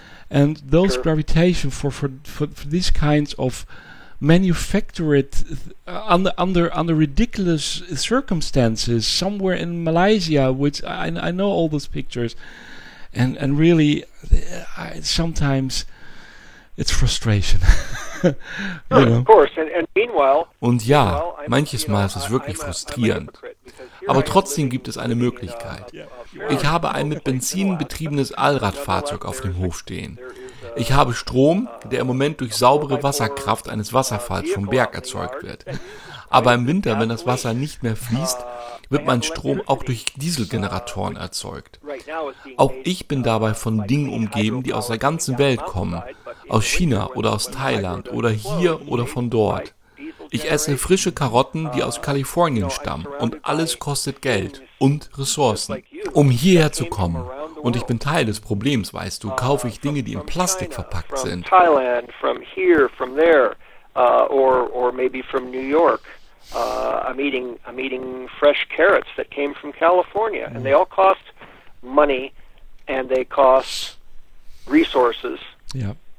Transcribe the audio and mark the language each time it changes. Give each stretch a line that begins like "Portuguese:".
English: And those gravitation for these kinds of manufactured under ridiculous circumstances somewhere in Malaysia, which I know all those pictures, and really I sometimes it's frustration. You know? Of course, and meanwhile.
German: Und ja, manches Mal ist es wirklich frustrierend. Aber trotzdem gibt es eine Möglichkeit. Ich habe ein mit Benzin betriebenes Allradfahrzeug auf dem Hof stehen. Ich habe Strom, der im Moment durch saubere Wasserkraft eines Wasserfalls vom Berg erzeugt wird. Aber im Winter, wenn das Wasser nicht mehr fließt, wird mein Strom auch durch Dieselgeneratoren erzeugt. Auch ich bin dabei von Dingen umgeben, die aus der ganzen Welt kommen. Aus China oder aus Thailand oder hier oder von dort. Ich esse frische Karotten, die aus Kalifornien stammen, und alles kostet Geld und Ressourcen. Um hierher zu kommen, und ich bin Teil des Problems, weißt du, kaufe ich Dinge, die in Plastik verpackt sind.
English: Thailand, from here, from there, or maybe from New York. I'm eating fresh carrots that came from California, and they all cost money, and they cost resources. Yeah.